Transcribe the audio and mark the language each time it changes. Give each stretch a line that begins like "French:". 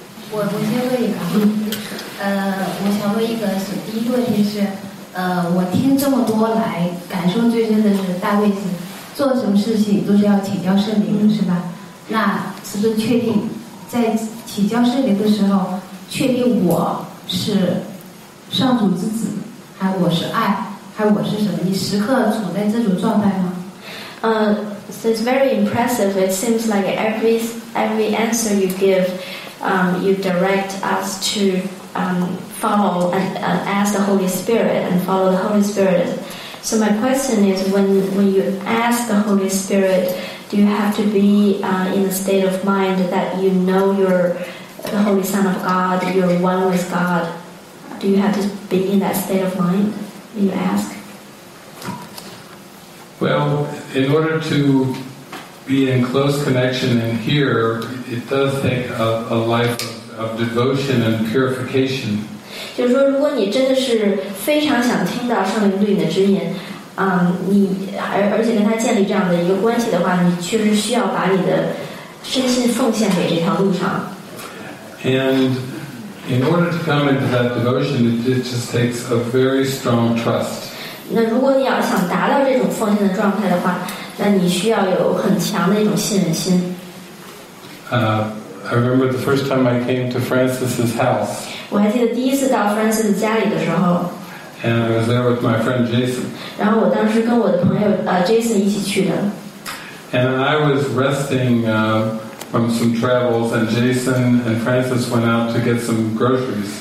Chinese: 我先问一个，我想问一个，是第一个问题是，我听这么多来，感受最深的是大卫是做什么事情都是要请教圣灵，是吧？那是不是确定在请教圣灵的时候，确定我是上主之子，还我是爱，还我是什么？你时刻处在这种状态吗？
English: So it's very impressive. It seems like every answer you give, you direct us to follow and ask the Holy Spirit and follow the Holy Spirit. So my question is, when you ask the Holy Spirit, do you have to be in a state of mind that you know you're the Holy Son of God, you're one with God? Do you have to be in that state of mind when you ask? Well, in order to be in close connection and hear, it does take a life of devotion and purification.
Chinese: 就是说，如果你真的是非常想听到圣灵对你的指引，你而且跟他建立这样的一个关系的话，你确实需要把你的身心奉献给这条路上。
English: And in order to come into that devotion, it just takes a very strong trust.
Chinese: 那如果你要想达到这种奉献的状态的话，那你需要有很强的一种信任心。
English: I remember the first time I came to Francis's house.
Chinese: 我还记得第一次到 Francis 家里的时候。
English: And I was there with my friend Jason.
Chinese: 然后我当时跟我的朋友Jason 一起去的。
English: And I was resting from some travels, and Jason and Francis went out to get some groceries.